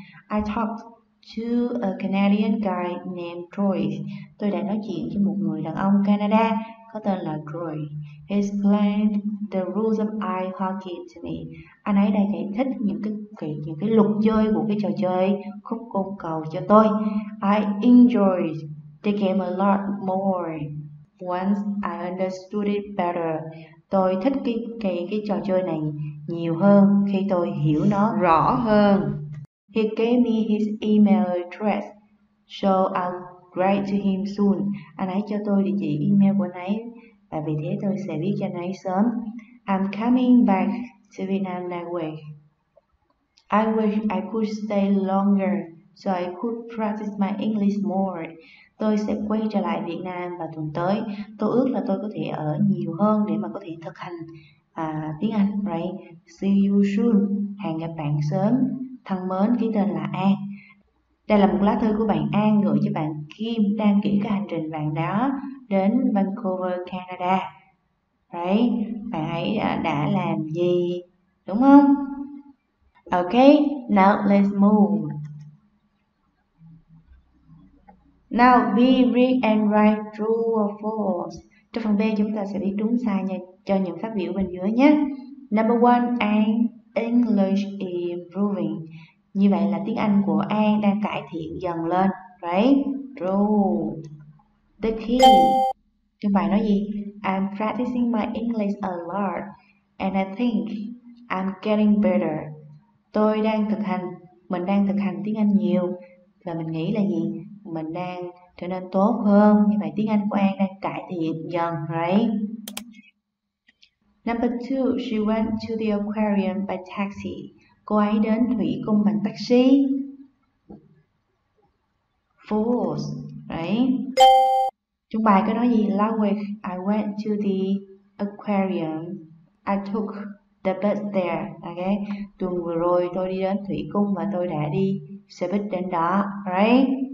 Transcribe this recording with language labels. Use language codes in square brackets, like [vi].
[en] I talked to a Canadian guy named Troy. [vi] Tôi đã nói chuyện với một người đàn ông Canada có tên là Troy. [en] He explained the rules of ice hockey to me. [vi] Anh ấy đã giải thích những cái luật chơi của cái trò chơi khúc côn cầu cho tôi. [en] I enjoyed the game a lot more once I understood it better. [vi] Tôi thích cái trò chơi này nhiều hơn khi tôi hiểu nó rõ hơn. [en] He gave me his email address, so I'll write to him soon. [vi] Anh ấy cho tôi địa chỉ email của anh ấy, và vì thế tôi sẽ viết cho anh ấy sớm. [en] I'm coming back to Vietnam next week. I wish I could stay longer, so I could practice my English more. [vi] Tôi sẽ quay trở lại Việt Nam vào tuần tới. Tôi ước là tôi có thể ở nhiều hơn để mà có thể thực hành tiếng Anh, right? [en] See you soon. [vi] Hẹn gặp bạn sớm. Thân mến, ký tên là An. Đây là một lá thư của bạn An gửi cho bạn Kim đang kể cái hành trình bạn đó đến Vancouver, Canada. Đấy, bạn ấy đã làm gì, đúng không? [en] Okay, now let's move. Now, B, read and write true or false. [vi] Trong phần B, chúng ta sẽ biết đúng sai nha, cho những phát biểu bên dưới nhé. [en] Number one, An, English is improving. [vi] Như vậy là tiếng Anh của An đang cải thiện dần lên, right? [en] True. The key. [vi] Trong bài nói gì? [en] I'm practicing my English a lot, and I think I'm getting better. [vi] Tôi đang thực hành, mình đang thực hành tiếng Anh nhiều, và mình nghĩ là gì? Mình đang trở nên tốt hơn. Như vậy tiếng Anh của An đang cải thiện dần, right? [en] Number two, she went to the aquarium by taxi. [vi] Cô ấy đến thủy cung bằng taxi. [en] False, right? [vi] Trong bài có nói gì? [en] Last week, I went to the aquarium. I took the bus there, okay? [vi] Tuần vừa rồi tôi đi đến thủy cung và tôi đã đi xe buýt đến đó, right?